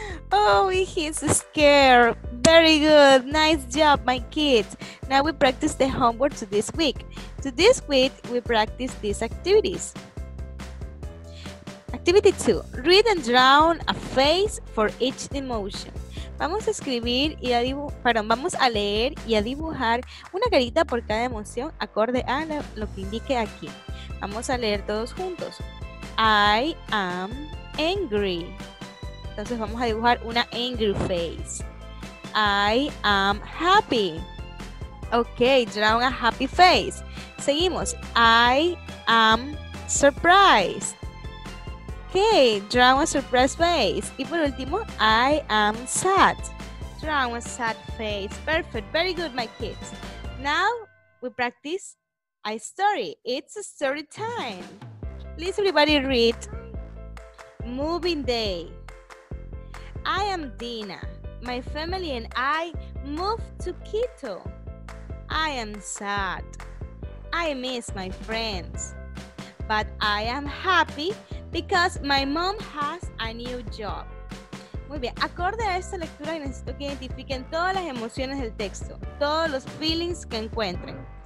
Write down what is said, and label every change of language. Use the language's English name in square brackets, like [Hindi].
[English] Oh, he's scared. Very good. Nice job, my kids. Now we practice the homework to this week. To this week, we practice these activities. Activity 2. Read and draw a face for each emotion. [Spanish] Vamos a escribir y a vamos a leer y a dibujar una carita por cada emoción acorde a lo que indique aquí. Vamos a leer todos juntos. [English] I am angry. [Spanish] Entonces vamos a dibujar una [English] angry face. I am happy. Okay, draw a happy face. [Spanish] Seguimos. [English] I am surprised. Okay, draw a surprised face. [Spanish] Y por último, [English] I am sad. Draw a sad face. Perfect. Very good, my kids. Now we practice a story. It's a story time. Please, everybody, read. Moving day. I am Dina. My family and I moved to Quito. I am sad. I miss my friends. But I am happy because my mom has a new job. [Spanish] Muy bien. Acorde a esta lectura, necesito que identifiquen todas las emociones del texto, todos los feelings que encuentren.